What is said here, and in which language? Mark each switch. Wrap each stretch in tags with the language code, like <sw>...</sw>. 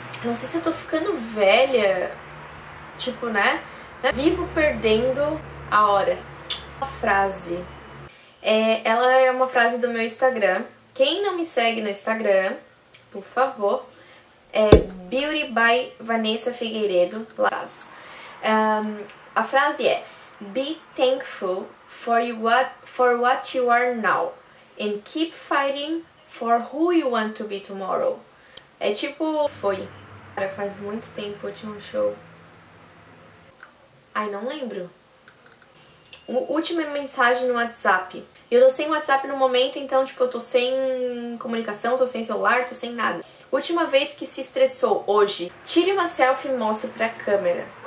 <pt>Não sei se eu tô ficando velha, tipo, né? Vivo perdendo a hora. Uma frase. Ela é uma frase do meu Instagram. Quem não me segue no Instagram, por favor, é Beauty by Vanessa Figueiredo. A frase é:</pt> <en>be thankful for what you are now and keep fighting for who you want to be tomorrow.</en> <pt>É tipo, foi. Cara, faz muito tempo, eu tinha um show. Não lembro. Última mensagem no WhatsApp. Eu tô sem WhatsApp no momento, então, tipo, eu tô sem comunicação, tô sem celular, tô sem nada. Última vez que se estressou, hoje. Tire uma selfie e mostre pra câmera.</pt>